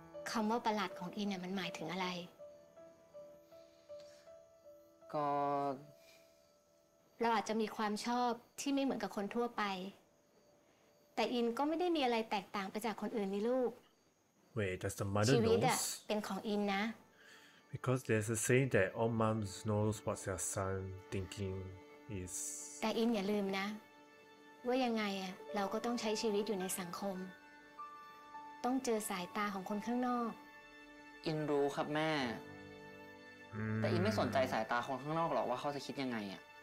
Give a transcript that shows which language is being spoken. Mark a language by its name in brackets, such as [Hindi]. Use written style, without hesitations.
[Thai] คำว่าประหลาดของอินเนี่ยมันหมายถึงอะไร ก็เราอาจจะมีความชอบที่ไม่เหมือนกับคนทั่วไปแต่อินก็ไม่ได้มีอะไรแตกต่างไปจากคนอื่นนี่ลูก [English] Wait, does the mother knows? ชี [Thai] วิตอะเป็นของอินนะ [English] Because there's a saying that all moms know what their son thinking is [Thai] แต่อินอย่าลืมนะว่ายังไงอะเราก็ต้องใช้ชีวิตอยู่ในสังคมต้องเจอสายตาของคนข้างนอก อินรู้ครับแม่แต่อินไม่สนใจสายตาคนข้างนอกหรอกว่าเขาจะคิดยังไงอะ